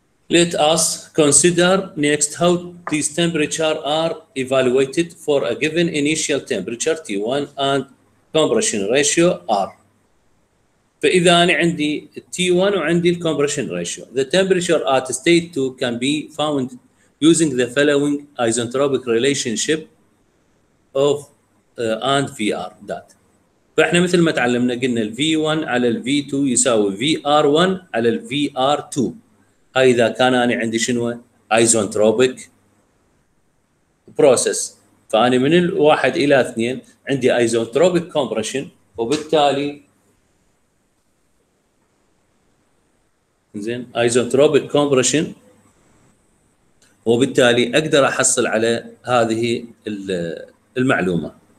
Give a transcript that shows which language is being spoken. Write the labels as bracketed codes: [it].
[en] Let us consider next how these temperature are evaluated for a given initial temperature T1 and compression ratio R. [ar] فإذا أنا عندي T1 وعندي compression ratio. [en] The temperature at state 2 can be found using the following isentropic relationship of and VR that. [ar] فإحنا مثل ما تعلمنا قلنا الـ V1 على الـ V2 يساوي VR1 على الـ VR2. هاي إذا كان أنا عندي شنو؟ isentropic process. فأنا من الواحد إلى اثنين عندي isentropic compression، وبالتالي زين isentropic compression، وبالتالي أقدر أحصل على هذه المعلومة.